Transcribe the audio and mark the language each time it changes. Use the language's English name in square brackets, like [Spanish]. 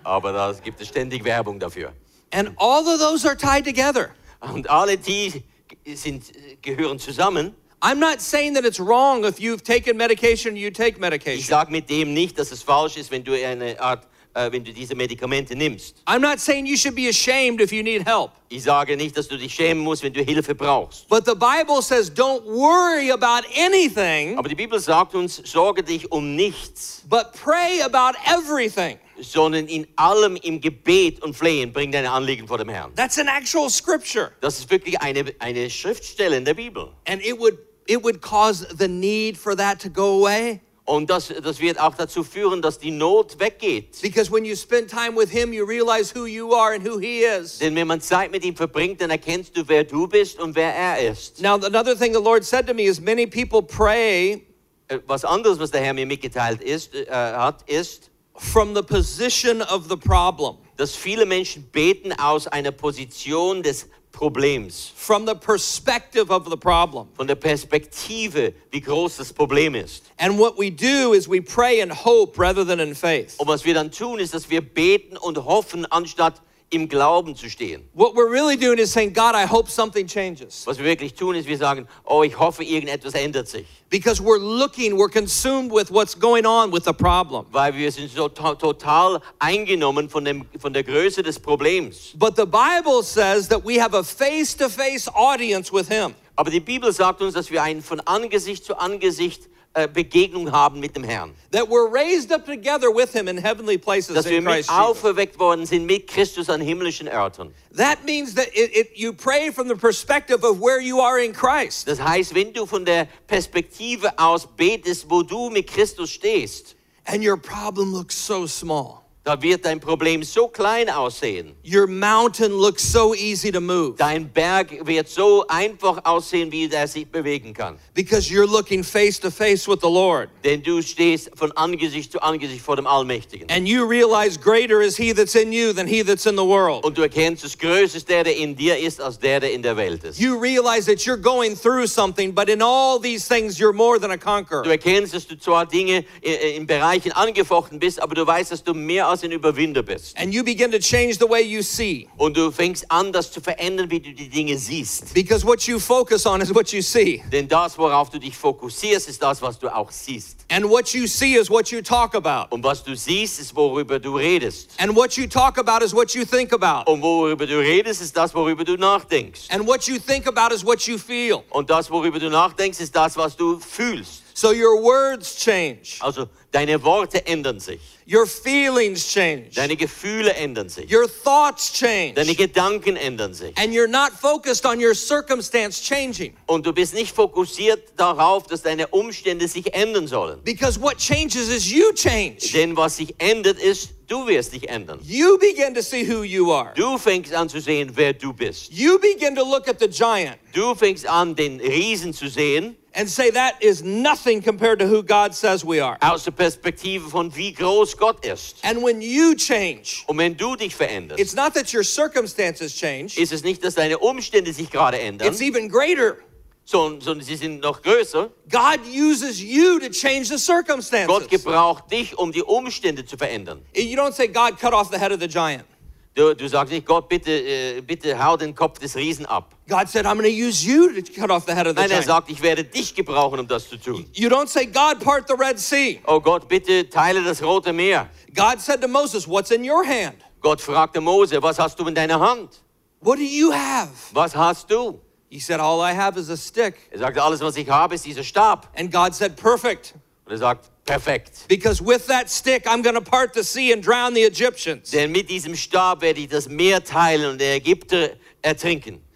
[German] Aber da gibt es ständig Werbung dafür. [English] And all of those are tied together. [German] Und alle die gehören zusammen. [English] I'm not saying that it's wrong if you've taken medication or you take medication. [German] Ich sag mit dem nicht, dass es falsch ist, wenn du eine Art wenn du diese Medikamente nimmst. [English] I'm not saying you should be ashamed if you need help. [German] Ich sage nicht, dass du dich schämen musst, wenn du Hilfe brauchst. [English] But the Bible says, don't worry about anything. [German] Aber die Bibel sagt uns, sorge dich um nichts. [English] But pray about everything. [German] Sondern in allem im Gebet und Flehen bring deine Anliegen vor dem Herrn. [English] That's an actual scripture. [German] Das ist wirklich eine Schriftstelle in der Bibel. [English] And it would cause the need for that to go away. [German] Und das wird auch dazu führen, dass die Not weggeht. [English] Because when you spend time with him, you realize who you are and who he is. [German] Denn wenn man Zeit mit ihm verbringt, dann erkennst du, wer du bist und wer er ist. [English] Now another thing the Lord said to me is many people pray. [German] Was anderes, was der Herr mir mitgeteilt ist, hat, ist [English] from the position of the problem. [German] Dass viele Menschen beten aus einer Position des Problems. [English] From the perspective of the problem. [German] Von der Perspektive, wie groß das Problem ist. [English] And what we do is we pray in hope rather than in faith. [German] Und was wir dann tun, ist, dass wir beten und hoffen, anstatt im Glauben zu stehen. [English] What we're really doing is saying, God, I hope something changes. [German] Was wir wirklich tun, ist, wir sagen, oh, ich hoffe, irgendetwas ändert sich. [English] Because we're looking, we're consumed with what's going on with the problem. [German] Weil wir sind so total eingenommen von der Größe des Problems. [English] But the Bible says that we have a face-to-face audience with him. [German] Aber die Bibel sagt uns, dass wir einen von Angesicht zu Angesicht Begegnung haben mit dem Herrn. [English] That we're raised up together with him in heavenly places in Christ [German] Jesus. Dass wir auferweckt worden sind mit Christus an himmlischen Orten. [English] That means that if you pray from the perspective of where you are in Christ. [German] Das heißt, wenn du von der Perspektive aus betest, wo du mit Christus stehst. [English] And your problem looks so small. [German] Da wird dein Problem so klein aussehen. [English] Your mountain looks so easy to move. [German] Dein Berg wird so einfach aussehen, wie er sich bewegen kann. [English] Because you're looking face to face with the Lord. [German] Denn du stehst von Angesicht zu Angesicht vor dem Allmächtigen. [English] And you realize greater is he that's in you than he that's in the world. [German] Und du erkennst, das Größte ist der in dir ist, als der in der Welt ist. [English] You realize that you're going through something, but in all these things you're more than a conqueror. [German] Du erkennst, dass du zwar Dinge in Bereichen angefochten bist, aber du weißt, dass du mehr als ein Überwinder bist. [English] And you begin to change the way you see. [German] Und du fängst an, das zu verändern, wie du die Dinge siehst. [English] Because what you focus on is what you see. [German] Denn das, worauf du dich fokussierst, ist das, was du auch siehst. [English] And what you see is what you talk about. [German] Und was du siehst, ist worüber du redest. [English] And what you talk about is what you think about. [German] Und worüber du redest, ist das, worüber du nachdenkst. [English] And what you think about is what you feel. [German] Und das, worüber du nachdenkst, ist das, was du fühlst. [English] So your words change. [German] Also deine Worte ändern sich. [English] Your feelings change. [German] Deine Gefühle ändern sich. [English] Your thoughts change. [German] Deine Gedanken ändern sich. [English] And you're not focused on your circumstance changing. [German] Und du bist nicht fokussiert darauf, dass deine Umstände sich ändern sollen. [English] Because what changes is you change. [German] Denn was sich ändert ist, du wirst dich ändern. [English] You begin to see who you are. [German] Du fängst an zu sehen, wer du bist. [English] You begin to look at the giant. [German] Du fängst an, den Riesen zu sehen. [English] And say that is nothing compared to who God says we are. [German] Aus der Perspektive von wie groß Gott ist. [English] And when you change, [German] und wenn du dich veränderst, [English] it's not that your circumstances change. [German] Ist es nicht, dass deine Umstände sich gerade ändern? [English] It's even greater. [German] Sondern sie sind noch größer. [English] God uses you to change the circumstances. [German] Gott gebraucht dich, um die Umstände zu verändern. [English] You don't say, God, cut off the head of the giant. [German] Du sagst nicht, Gott, bitte hau den Kopf des Riesen ab. [English] God said, I'm going to use you to cut off the head of the [German] Nein, [English] giant. [German] Nein, sagt, ich werde dich gebrauchen, um das zu tun. [English] You don't say, God, part the Red Sea. [German] Oh Gott, bitte teile das Rote Meer. [English] God said to Moses, what's in your hand? [German] Gott fragte Mose, was hast du in deiner Hand? [English] What do you have? [German] Was hast du? [English] He said, all I have is a stick. [German] Er sagte, alles, was ich habe, ist dieser Stab. [English] And God said, perfect. [German] Und er sagt, perfekt. [English] Because with that stick, I'm going to part the sea and drown the Egyptians. [German] Denn mit diesem Stab werde ich das Meer teilen und der Ägypter ertrinken.